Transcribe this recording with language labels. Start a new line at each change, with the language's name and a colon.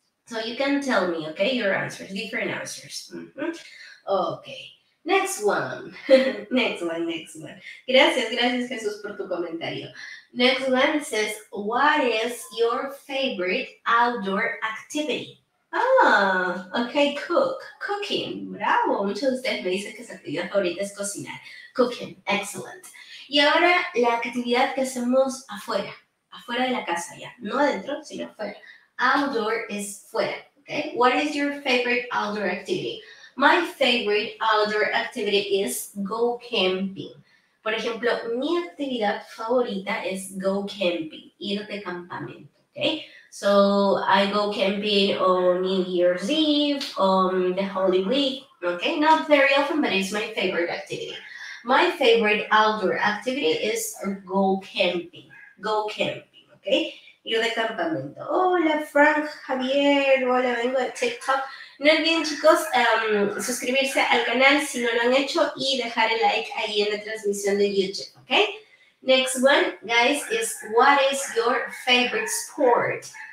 English: So you can tell me, okay, your answers, different answers. Okay, next one. next one.
Spanish: Gracias, gracias Jesús por tu comentario.
English: Next one says, what is your favorite outdoor activity? Ah, okay, cooking.
Spanish: Bravo, muchos de ustedes me dicen que su actividad favorita es cocinar.
English: Cooking, excellent.
Spanish: Y ahora la actividad que hacemos afuera, afuera de la casa ya, no adentro, sino afuera.
English: Outdoor is fuera, okay? What is your favorite outdoor activity? My favorite outdoor activity is go camping.
Spanish: Por ejemplo, mi actividad favorita es
English: go camping,
Spanish: ir de campamento, okay?
English: So, I go camping on New Year's Eve, on the Holy Week, okay? Not very often, but it's my favorite activity. My favorite outdoor activity is go camping. Go camping, okay?
Spanish: Yo de campamento. Hola, Frank, Javier. Hola, vengo de TikTok. No olviden, chicos, suscribirse al canal si no lo han hecho y dejar el like ahí en la transmisión de YouTube, ¿ok?
English: Next one, guys, is what is your favorite sport?